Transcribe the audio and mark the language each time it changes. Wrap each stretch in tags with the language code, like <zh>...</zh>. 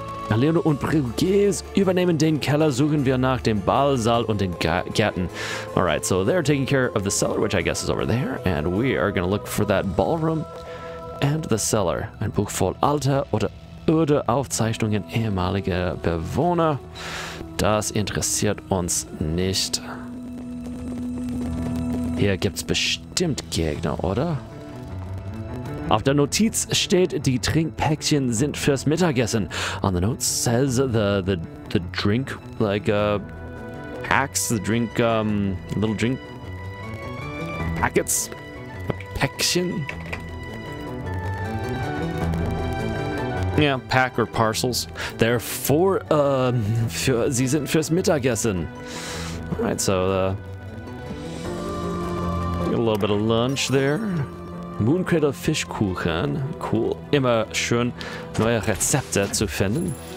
<de>Alleone und Brugges übernehmen den Keller, suchen wir nach dem Ballsaal und den Gärten.</de> <en>Alright, so they're taking care of the cellar, which I guess is over there, and we are gonna look for that ballroom and the cellar.</en> <de>Ein Buch voll alter oder öde Aufzeichnungen ehemaliger Bewohner. Das interessiert uns nicht. Hier gibt's bestimmt Gegner, oder? Auf der Notiz steht, die Trinkpäckchen sind fürs Mittagessen.</de> <en>On the note says the drink, like, packs, the drink, little drink packets?</en> <de>Päckchen?</de> <en>Yeah, pack or parcels. They're for,</en> <de>für, sie sind fürs Mittagessen.</de> <en>Alright, so, a little bit of lunch there.</en> <de>Mooncradle Fischkuchen. Cool. Immer schön, neue Rezepte zu finden.</de>